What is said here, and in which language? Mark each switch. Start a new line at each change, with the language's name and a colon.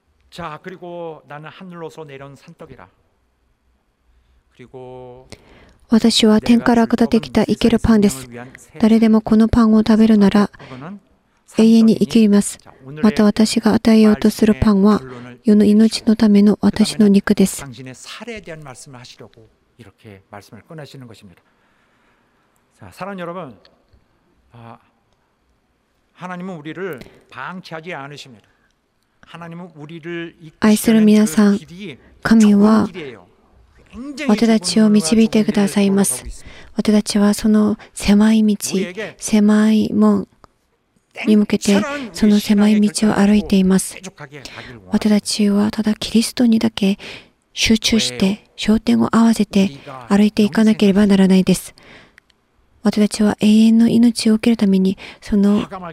Korean: 자, 그리고 나는 하늘로서 내려온 산떡이라. 그리고
Japanese: 私は天から下ってきた生けるパンです。誰でもこのパンを食べるなら 永遠に生きます。また私が与えようとするパンは 世の命のための私の肉です。
Korean: 당신의 살에 대한 말씀을 하시려고 이렇게 말씀을 꺼내시는 것입니다. 자, 사랑하는 여러분, 하나님은 우리를 방치하지 않으십니다. 하나님은 우리를 이끄시는 길이 좋은 길이에요.
Japanese: 私たちを導いてくださいます。私たちはその狭い道、狭い門 に向けて、その狭い道を歩いています。私たちはただキリストにだけ集中して焦点を合わせて歩いていかなければならないです。私たちは永遠の命を受けるために、その